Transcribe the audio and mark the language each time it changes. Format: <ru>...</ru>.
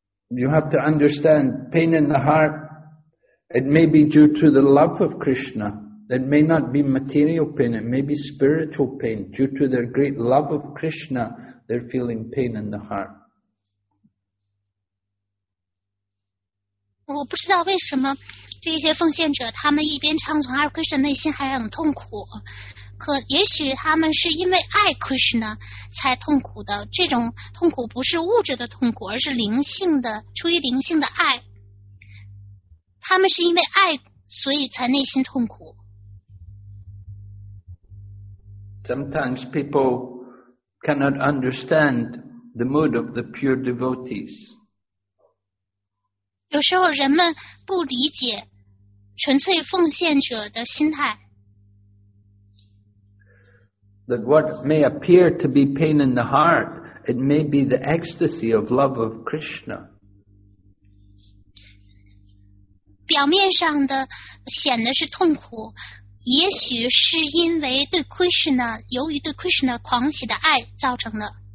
<en>You have to understand, pain in the heart, it may be due to the love of Krishna. It may not be material pain, it may be spiritual pain. Due to their great love of Krishna, they're feeling pain in the heart.</en> <zh>我不知道为什么这些奉献者他们一边唱诵阿尔 Krishna 内心还很痛苦，可也许他们是因为爱 Krishna 才痛苦的，这种痛苦不是物质的痛苦，而是灵性的，出于灵性的爱，他们是因为爱所以才内心痛苦。</zh> <en>Sometimes people cannot understand the mood of the pure devotees.</en> <zh>有时候人们不理解纯粹奉献者的心态。</zh> <en>That what may appear to be pain in the heart, it may be the ecstasy of love of Krishna.</en> <zh>表面上的显得是痛苦，也许是因为对 Krishna, 由于对 Krishna 狂喜的爱造成的。</zh>